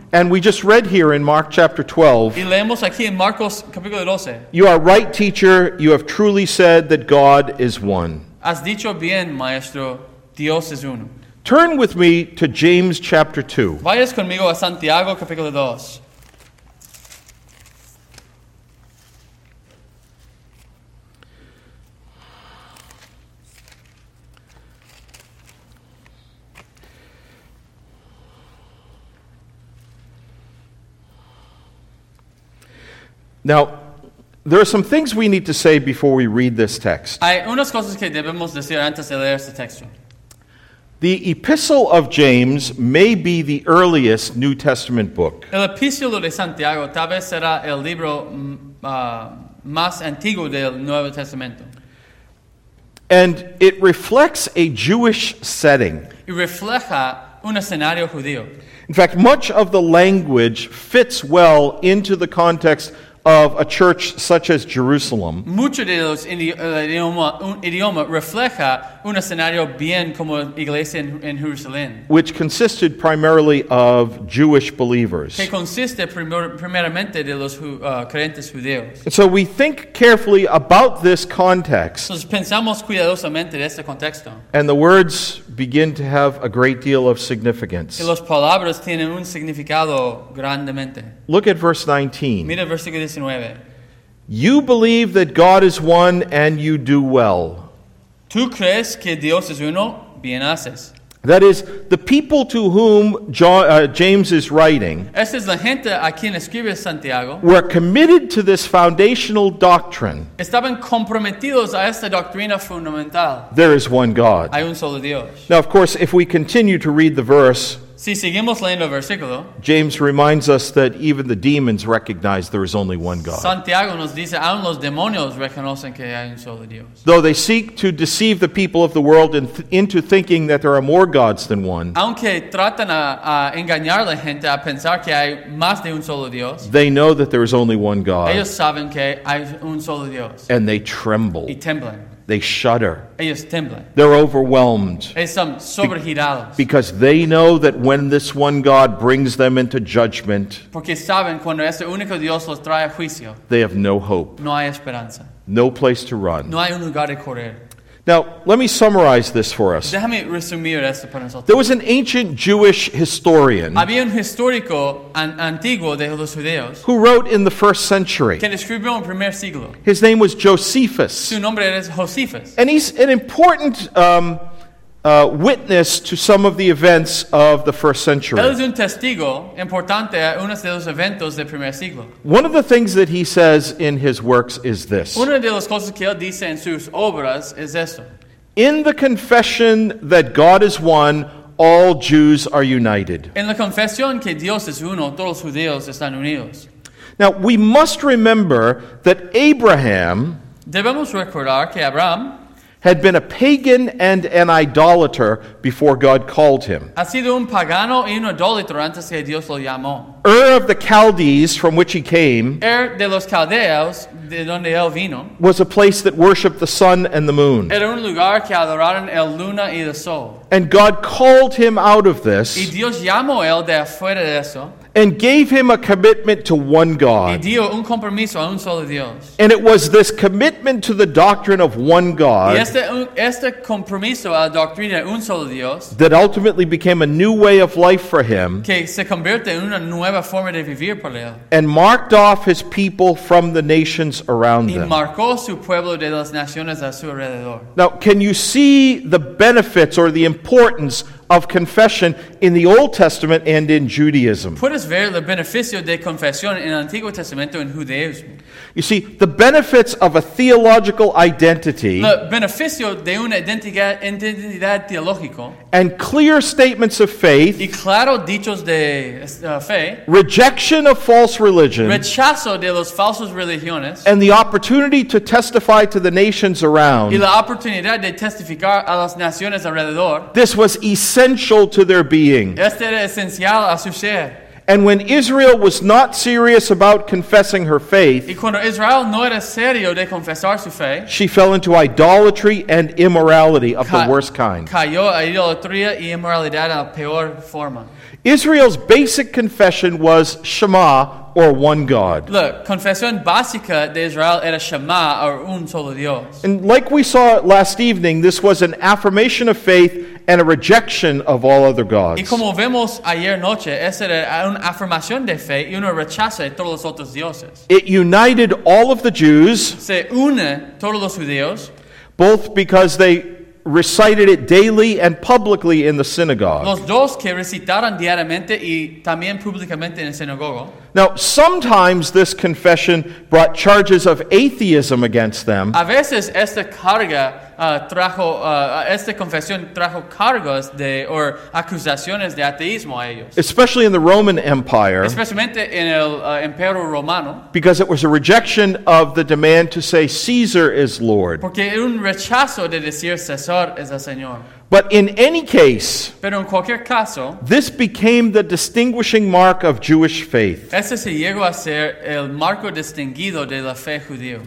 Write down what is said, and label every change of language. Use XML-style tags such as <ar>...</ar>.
<en>And we just read here in Mark chapter 12.</en> <es>Y leemos aquí en Marcos capítulo 12.</es> <en>You are right, teacher, you have truly said that God is one.</en> <es>Has dicho bien, maestro, Dios es uno.</es> <en>Turn with me to James chapter 2.</en> <es>Vayas conmigo a Santiago capítulo 2.</es> <en>Now, there are some things we need to say before we read this text.</en> <es>Hay unas cosas que debemos decir antes de leer este texto.</es> <en>The Epistle of James may be the earliest New Testament book.</en> <es>El Epístolo de Santiago tal vez será el libro más antiguo del Nuevo Testamento.</es> <en>And it reflects a Jewish setting.</en> <es>Y refleja un escenario judío.</es> <en>In fact, much of the language fits well into the context of a church such as Jerusalem.</en> <es>Mucho de los idioma refleja un escenario bien como iglesia en Jerusalén,</es> <en>which consisted primarily of Jewish believers.</en> <es>Que consiste primeramente de los creyentes judíos.</es> <en>And so we think carefully about this context.</en> <es>Entonces pensamos cuidadosamente de este contexto.</es> <en>And the words begin to have a great deal of significance.</en> <es>Y las palabras tienen un significado grandemente.</es> <en>Look at verse 19.</en> <es>Mira versículo 19.</es> <en>You believe that God is one and you do well.</en> <es>Tú crees que Dios es uno, bien haces.</es> <en>That is, the people to whom James is writing,</en> <es>esta es la gente a quien escribe Santiago,</es> <en>were committed to this foundational doctrine.</en> <es>Estaban comprometidos a esta doctrina fundamental.</es> <en>There is one God.</en> <es>Hay un solo Dios.</es> <en>Now, of course, if we continue to read the verse,</en> <es>si seguimos leyendo el versículo,</es> <en>James reminds us that even the demons recognize there is only one God.</en> <es>Santiago nos dice, aun los demonios reconocen que hay un solo Dios.</es> <en>Though they seek to deceive the people of the world into thinking that there are more gods than one,</en> <es>aunque tratan a engañar a la gente a pensar que hay más de un solo Dios,</es> <en>they know that there is only one God.</en> <es>Ellos saben que hay un solo Dios.</es> <en>And they tremble.</en> <es>Y temblan.</es> <en>They shudder.</en> <es>Ellos temblan.</es> <en>They're overwhelmed.</en> <es>Están sobregirados.</es> <en>Because they know that when this one God brings them into judgment,</en> <es>porque saben cuando ese único Dios los trae a juicio,</es> <en>they have no hope.</en> <es>No hay esperanza.</es> <en>No place to run.</en> <es>No hay un lugar de correr.</es> <en>Now, let me summarize this for us.</en> <es>Déjame resumir esto para nosotros.</es> <en>There was an ancient Jewish historian.</en> <es>Había un histórico antiguo de los judeos.</es> <en>Who wrote in the first century.</en> <es>Que escribió en primer siglo.</es> <en>His name was Josephus.</en> <es>Su nombre era Josephus.</es> <en>And he's an important witness to some of the events of the first century.</en> <es>Él es un testigo importante a uno de los eventos del primer siglo.</es> <en>One of the things that he says in his works is this.</en> <es>Una de las cosas que él dice en sus obras es esto.</es> <en>In the confession that God is one, all Jews are united.</en> <es>En la confesión que Dios es uno, todos los judíos están unidos.</es> <en>Now, we must remember that Abraham,</en> <es>debemos recordar que Abraham</es> <en>had been a pagan and an idolater before God called him.</en> <es>Ha sido un pagano y un idólatra antes que Dios lo llamó.</es> <en>Ur of the Chaldees, from which he came,</en> <es>de los caldeos, de donde él vino,</es> <en>was a place that worshipped the sun and the moon.</en> <es>Era un lugar que adoraron el luna y el sol.</es> <en>And God called him out of this.</en> <es>Y Dios llamó él de afuera de eso.</es> <en>And gave him a commitment to one God.</en> <es>Y dio un compromiso a un solo Dios.</es> <en>And it was this commitment to the doctrine of one God.</en> <es>Y este compromiso a la doctrina de un solo Dios.</es> <en>That ultimately became a new way of life for him.</en> <es>Que se convierte en una nueva forma de vivir para él.</es> <en>And marked off his people from the nations around them.</en> <es>Y marcó su pueblo de las naciones a su alrededor.</es> <en>Now, can you see the benefits or the importance of confession in the Old Testament and in Judaism?</en> <es>¿Puedes ver el beneficio de confesión en el Antiguo Testamento en judaísmo?</es> <en>You see, the benefits of a theological identity,</en> <es>el beneficio de una identidad teológica,</es> <en>and clear statements of faith,</en> <es>y claro dichos de fe,</es> <en>rejection of false religion,</en> <es>rechazo de los falsos religiones,</es> <en>and the opportunity to testify to the nations around,</en> <es>y la oportunidad de testificar a las naciones alrededor,</es> <en>this was essential to their being.</en> <es>Este era esencial a su ser.</es> <en>And when Israel was not serious about confessing her faith,</en> <es>y cuando Israel no era serio de confesar su fe,</es> <en>she fell into idolatry and immorality of the worst kind.</en> <es>Cayó a idolatría y inmoralidad en la peor forma.</es> <en>Israel's basic confession was Shema, or one God.</en> <es>La confesión básica de Israel era Shema,</es> <en>or</en> <es>un solo Dios.</es> <en>And like we saw last evening, this was an affirmation of faith and a rejection of all other gods.</en> <es>Y como vemos ayer noche, esa era una afirmación de fe y una rechaza de todos los otros dioses.</es> <en>It united all of the Jews.</en> <es>Se une todos los judíos.</es> <en>Both because they recited it daily and publicly in the synagogue.</en> <es>Los dos que recitaron diariamente y también públicamente en el sinagogo.</es> <en>Now, sometimes this confession brought charges of atheism against them.</en> <es>A veces esta carga esta confesión trajo cargos de</es> <en>or</en> <es>acusaciones de ateísmo a ellos.</es> <en>Especially in the Roman Empire.</en> <es>Especialmente en el Imperio Romano.</es> <en>Because it was a rejection of the demand to say Caesar is Lord.</en> <es>Porque era un rechazo de decir César es el Señor.</es> <en>But in any case,</en> <es>pero en cualquier caso,</es> <en>this became the distinguishing mark of Jewish faith.</en> <es>Este se llegó a ser el marco distinguido de la fe judía.</es>